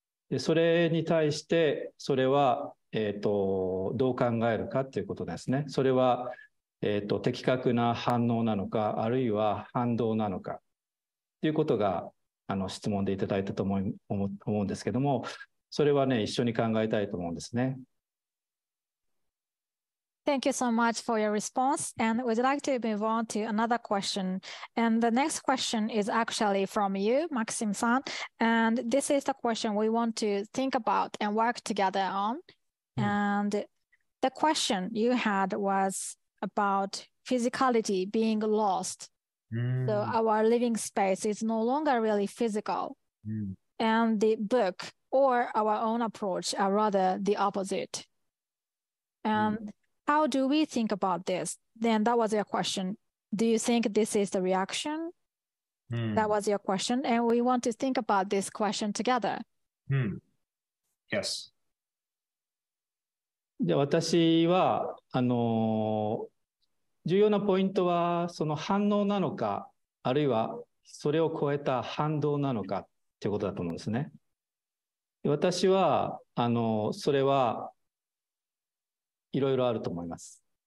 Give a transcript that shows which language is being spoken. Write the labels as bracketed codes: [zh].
[ja] でそれに対してそれは、どう考えるかということですね。それは、的確な反応なのか、あるいは反動なのかということが質問でいただいたと思うんですけども、それはね、一緒に考えたいと思うんですね。 [en] Thank you so much for your response, and we'd like to move on to another question. And the next question is actually from you, Maxim-san, and this is the question we want to think about and work together on. And the question you had was about physicality being lost. So our living space is no longer really physical. And the book or our own approach are rather the opposite. And how do we think about this? Then that was your question. Do you think this is the reaction? That was your question. And we want to think about this question together. Yes. [ja] で、私は、重要なポイントはその反応なのか、あるいはそれを超えた反動なのかということだと思うんですね。私はそれはいろいろあると思います。